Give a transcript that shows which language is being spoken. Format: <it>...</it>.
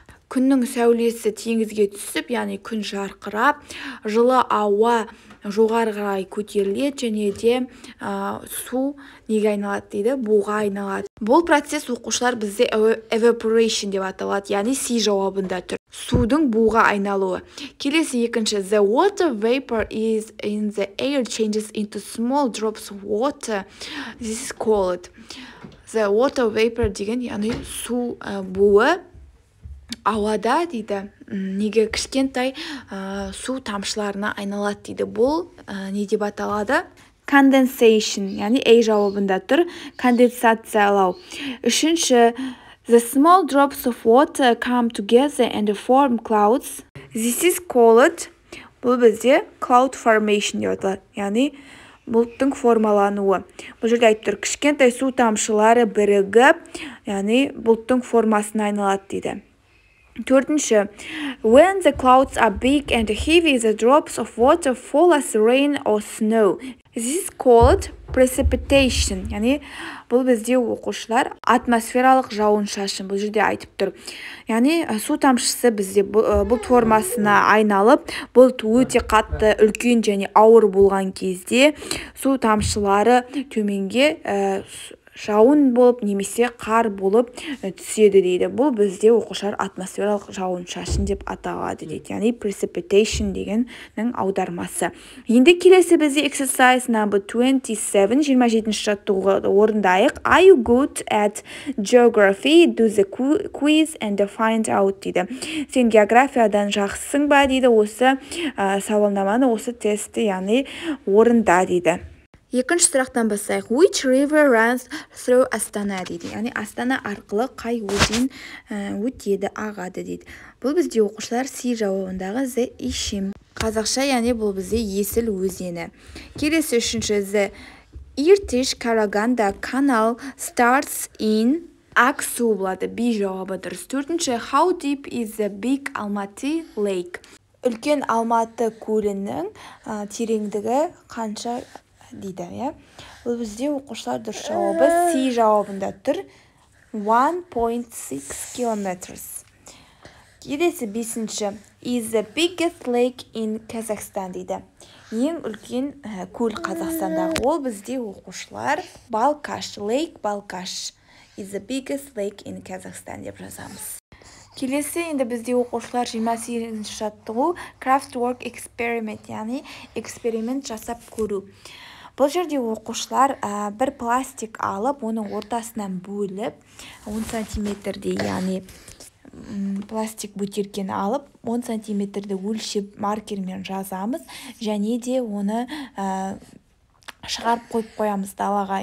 <kk>Күннің сәулесі теңізге түсіп, яғни күн жарқырап, жылы ауа жоғары қарай көтеріледі және де су неге айналады, дейді, буға айналады. Бұл процесс оқушылар бізде evaporation деп аталады, яғни си жауабында тұр. Судың буға айналуы. Келесі екінші,</kk> <en>the water vapor is in the air changes into small drops of water. This is called the water vapor</en> <kk>деген, яғни су буы. Ауада, дейді, неге кішкентай су тамшыларына айналады, дейді. Бұл не деп аталады? Condensation, яғни A жауабында тұр, конденсациялау.</kk> <en>Үшінші, the small drops of water come together and form clouds. This is called,</en> <kk>бұл бізде cloud formation деп аталады, яғни бұлттың формалануы. Бұл жерде айтып тұр, кішкентай су тамшылары бірігіп, яғни бұлттың формасына айналады, дейді.</kk> <en>Төртінші, when the clouds are big and heavy, the drops of water fall as rain or snow. This is called</en> <kk>precipitation, яғни бұл бізде оқушылар атмосфералық жауын-шашын, бұл жерде айтып тұр. Яғни су тамшысы бізде бұл формасына айналып, бұл өте қатты, үлкен және ауыр болған кезде су тамшылары төменге жауын болып немесе қар болып түседі дейді. Бұл бізде оқушылар атмосфералық жауын-шашын деп аталады дейді. Яғни precipitation дегеннің аудармасы. Енді келесі бізде exercise number 27, 27-ші жаттығуды орындайық.</kk> <en>Are you good at geography? Do the quiz and find out дейді.</en> <kk>Сен географиядан жақсысың ба дейді. Осы сауалнаманы, осы тестті яғни орында дейді. Екінші сұрақтан бастайық.</kk> <en>Which river runs through Astana дейді.</en> <kk>Яғни Астана арқылы қай өзен өтеді, ағады дейді. Бұл бізде оқушылар C жауабындағы the Ишим. Қазақша яғни бұл бізде Есіл өзені. Келесі үшінші</kk> <en>the Иртиш Караганда канал starts in Аксу болады.</en> <kk>B жауабы дұрыс.</kk> <en>Төртінші how deep is the big Алматы lake?</en> <kk>Үлкен Алматы көлінің тереңдігі қанша дейді, иә? Бұл бізде оқушылар дұрыс жауабы C жауабында тұр.</kk> <en>1.6 kilometers.</en> <kk>Келесі бесінші.</kk> <en>Is the biggest lake in Kazakhstan дейді.</en> <kk>Ең үлкен көл Қазақстанда. Ол бізде оқушылар Балқаш.</kk> <en>Lake Балқаш. Is the biggest lake in Kazakhstan</en> <kk>деп жазамыз. Келесі енді бізде оқушылар 28-ші жаттығу.</kk> <en>Craftwork experiment.</en> <kk>Яғни эксперимент жасап көру. Бұл жерде оқушылар бір пластик алып, оның ортасынан бөліп, 10 сантиметрдей, яғни пластик бөтеркені алып, 10 сантиметрді өлшеп маркермен жазамыз, және де оны шығарып қойып қоямыз далаға.</kk>